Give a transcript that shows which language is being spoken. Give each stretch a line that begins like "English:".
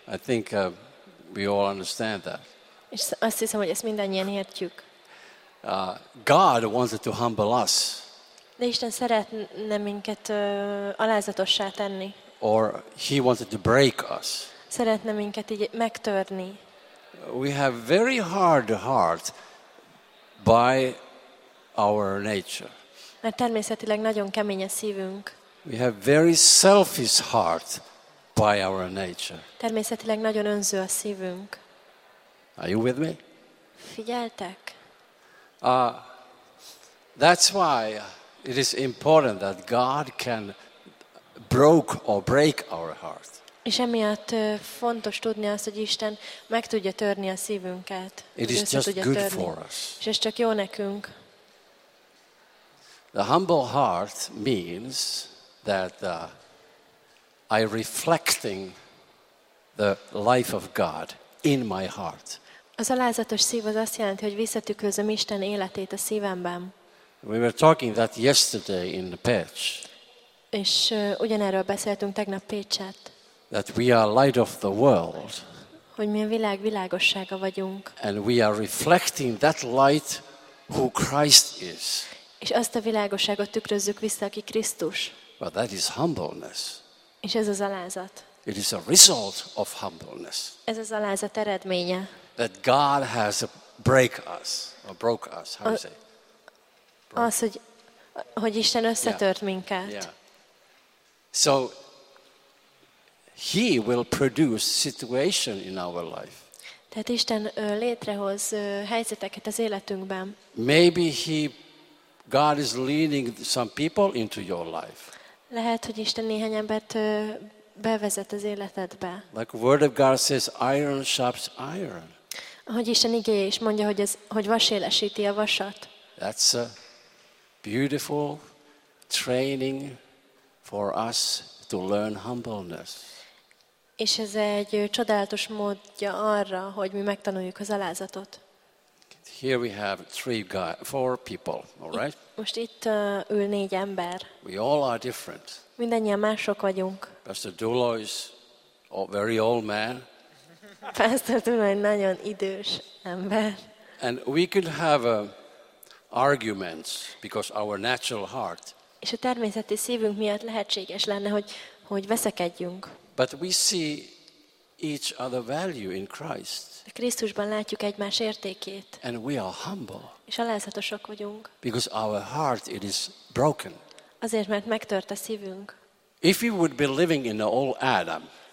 English: I think we all understand that.
Hungarian: És azt hiszem, hogy ezt mindannyian értjük.
English: God wanted to humble us.
Hungarian: De Isten szeretne minket alázatossá tenni.
English: Or he wanted to break us.
Hungarian: Szeretne minket így megtörni.
English: We have very hard heart by our nature.
Hungarian: Mert természetileg nagyon kemény a szívünk.
English: We have very selfish heart by our nature.
Hungarian: Természetileg nagyon önző a szívünk.
English: Are you with me?
Hungarian: Figyeltek?
English: That's why it is important that God can break our heart.
Hungarian: És emiatt fontos tudni azt, hogy Isten meg tudja törni a szívünket.
English: It is just good for us.
Hungarian: És ez csak jó nekünk.
English: The humble heart means that I reflecting the life of God in my heart.
Hungarian: Az alázatos szív az azt jelenti, hogy visszatükrözöm Isten életét a szívemben.
English: We were talking that yesterday in Pécs.
Hungarian: És ugyanerről beszéltünk tegnap Pécset.
English: That we are light of the world.
Hungarian: Hogy mi a világ világossága vagyunk.
English: And we are reflecting that light who Christ is.
Hungarian: És azt a világosságot tükrözzük vissza, aki Krisztus.
English: But that is humbleness.
Hungarian: És ez az alázat.
English: It is a result of humbleness.
Hungarian: Ez az alázat eredménye.
English: That God has broke us. How do you say?
Hungarian: Az, hogy Isten összetört minket.
English: Yeah. So He will produce situation in our life.
Hungarian: Tehát Isten létrehoz helyzeteket az életünkben.
English: Maybe God is leading some people into your life.
Hungarian: Lehet, hogy Isten néhány embert bevezet az életedbe.
English: Like the Word of God says, iron sharpens iron.
Hungarian: Hogy Isten igéje is mondja, hogy vasélesíti a vasat.
English: That's a beautiful training for us to learn humbleness.
Hungarian: És ez egy csodálatos módja arra, hogy mi megtanuljuk az alázatot.
English: Here we have four people, all right?
Hungarian: Most itt ül négy ember.
English: We all are different.
Hungarian: Mindannyian mások vagyunk.
English: Pastor Dulo is a very old man.
Hungarian: Pastor Dulo egy nagyon idős ember.
English: And we could have arguments because our natural heart
Hungarian: És a természeti szívünk miatt lehetséges lenne, hogy veszekedjünk.
English: But we see each other value in Christ.
Hungarian: De Krisztusban látjuk egymás értékét.
English: And we are humble.
Hungarian: És alázatosak vagyunk.
English: Because our heart it is broken.
Hungarian: Azért, mert megtört a szívünk.
English: If we would be living in the old Adam.